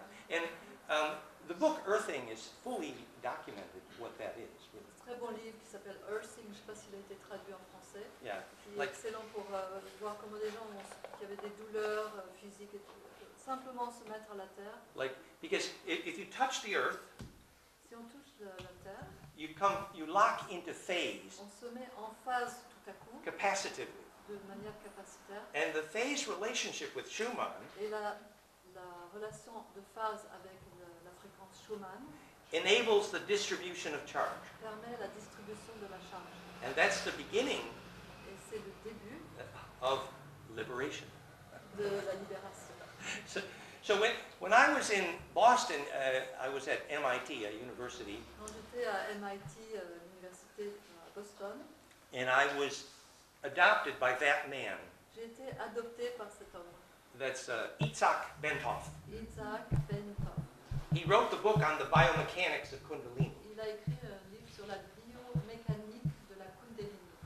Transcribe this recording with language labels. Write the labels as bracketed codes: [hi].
[en] And the book Earthing is fully documented what that is. Really. [fr] Très bon livre qui s'appelle Earthing. Je ne sais pas s'il a été traduit en français. [en] Yeah. [fr] Like, excellent pour voir comment des gens qui avaient des douleurs physiques et tout, simplement se mettre à la terre. [en] Like, because if you touch the earth, [fr] si on touche la terre, [en] you lock into phase, [fr] on se met en phase tout à coup, [en] capacitively, [fr] de manière capacitaire. [en] And the phase relationship with Schumann, [fr] et la relation de phase avec la fréquence Schumann, [en] enables the distribution of charge. [fr] Permet la distribution de la charge. [en] And that's the beginning. [fr] C'est le début [en] of liberation. [fr] De la libération. [en] So when I was in Boston, I was at MIT, a university. [fr] Quand j'étais à MIT, l'université à Boston. [en] And I was adopted by that man. [fr] J'ai été adopté par cet homme. [en] That's Itzhak Benthoff. [fr] Itzhak Benthoff. [en] He wrote the book on the biomechanics of Kundalini. [fr] Il a écrit un livre sur la biomécanique de la Kundalini.